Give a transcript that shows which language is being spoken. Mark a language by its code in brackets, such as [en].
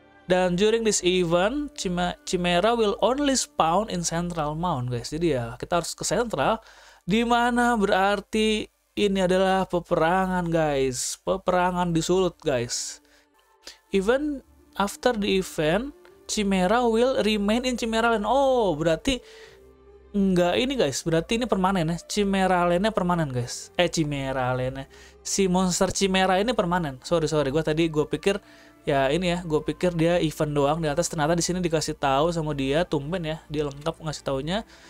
[en] Dan during this event, Chimera will only spawn in Central Mount, guys. [id] Jadi ya, kita harus ke Central. Dimana berarti ini adalah peperangan, guys. Peperangan di Sulut, guys. [en] Even after the event, Chimera will remain in Chimera Land. [id] Oh, berarti enggak ini, guys. Berarti ini permanen ya. Chimera Land-nya permanen, guys. Chimera Land-nya. Si monster Chimera ini permanen. Sorry. Gue pikir... Ya ini ya, gue pikir dia event doang di atas, ternyata di sini dikasih tahu sama dia, tumben ya, dia lengkap ngasih taunya.